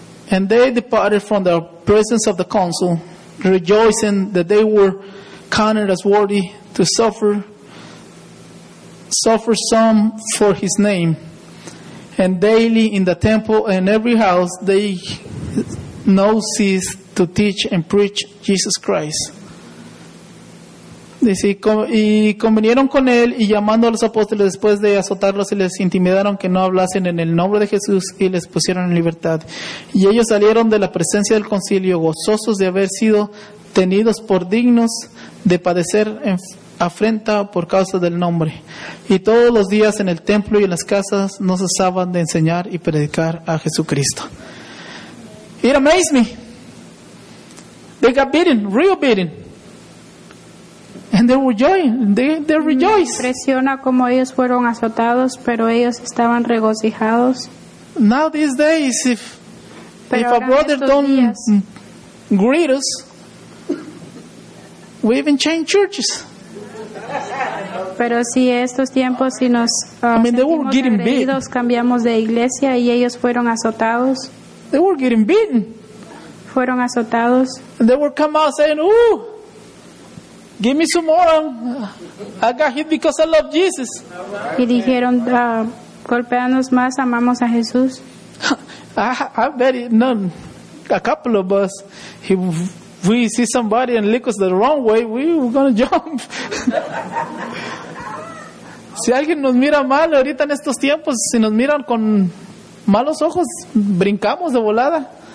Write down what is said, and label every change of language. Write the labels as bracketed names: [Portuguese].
[English] And they departed from the presence of the council, rejoicing that they were counted as worthy to suffer some for his name. And daily in the temple and every house, they no cease to teach and preach Jesus Christ. [Spanish] Dice, y convinieron con él y llamando a los apóstoles después de azotarlos y les intimidaron que no hablasen en el nombre de Jesús y les pusieron en libertad. Y ellos salieron de la presencia del concilio gozosos de haber sido tenidos por dignos de padecer afrenta por causa del nombre. Y todos los días en el templo y en las casas no cesaban de enseñar y predicar a Jesucristo. [English] It amazed me. They got beaten, real beaten. And they were joying. They rejoiced. [Spanish] Me impresiona cómo ellos fueron azotados, pero ellos estaban regocijados. [English] Now these days, if a brother don't greet us, we even change churches. [Spanish] Pero si estos tiempos si nos sentimos agredidos, cambiamos de iglesia y ellos fueron azotados. [English] They were getting beaten. [Spanish] Fueron azotados. [English] And they would come out saying, "Ooh, give me some more. I got hit because I love Jesus." [Spanish] Y dijeron, golpéanos más, amamos a Jesús. [English] I bet it, none, a couple of us, if we see somebody and lick us the wrong way, we're going to jump. [Spanish] Si alguien nos mira mal ahorita en estos tiempos, si nos miran con malos ojos, brincamos de volada.